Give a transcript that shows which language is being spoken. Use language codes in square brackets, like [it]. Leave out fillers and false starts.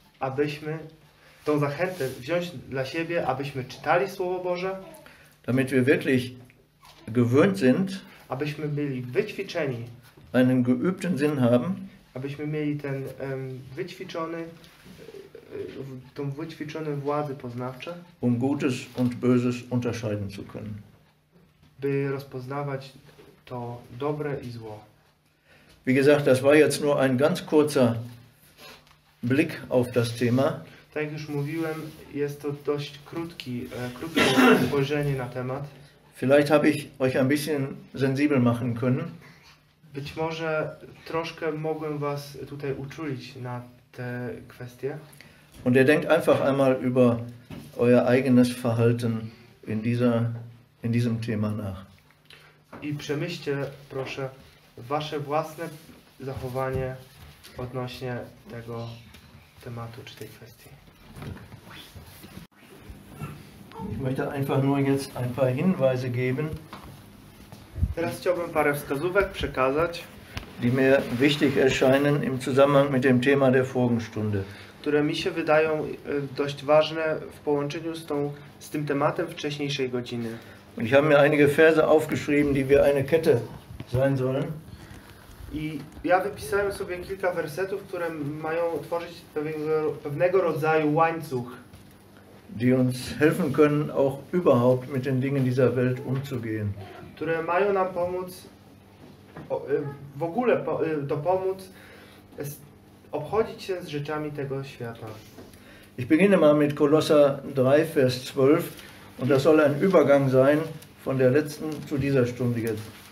[pl] Abyśmy tą zachętę wziąć dla siebie, abyśmy czytali Słowo Boże. [de] Damit wir wirklich gewöhnt sind. [pl] Abyśmy byli wyćwiczeni. [de] Einen geübten Sinn haben. [pl] Abyśmy mieli ten wyćwiczony, tą wyćwiczone władze poznawcze. [de] Um Gutes und Böses unterscheiden zu können. [pl] By rozpoznawać to dobre i zło. [de] Wie gesagt, das war jetzt nur ein ganz kurzer Blick auf das Thema. [pl] Tak jak już mówiłem, jest to dość krótkie spojrzenie na temat. [de] Vielleicht habe ich euch ein bisschen sensibel machen können. [pl] Być może troszkę mogłem was tutaj uczulić na te kwestie. [de] Und ihr denkt einfach einmal über euer eigenes Verhalten in diesem Thema nach. [pl] I przemyślcie proszę wasze własne zachowanie odnośnie tego tematu czy tej kwestii. [de] Ich möchte einfach nur jetzt ein paar Hinweise geben. [pl] Teraz chciałbym parę wskazówek przekazać, [de] die mir wichtig erscheinen im Zusammenhang mit dem Thema der Folgenstunde. [pl] Które mi się wydają dość ważne w połączeniu z tą, z tym tematem wcześniejszej godziny. [de] Und ich habe mir einige Verse aufgeschrieben, die wir eine Kette sein sollen. [pl] I ja wypisałem sobie kilka wersetów, które mają tworzyć pewnego rodzaju łańcuch. [de] Die uns helfen können, auch überhaupt mit den Dingen dieser Welt umzugehen. [pl] Które mają nam pomóc, w ogóle dopomóc obchodzić się z rzeczami tego świata. [de] Ich beginne mal mit Kolosser 3, Vers 12. Und das soll ein Übergang sein von der letzten zu dieser Stunde jetzt.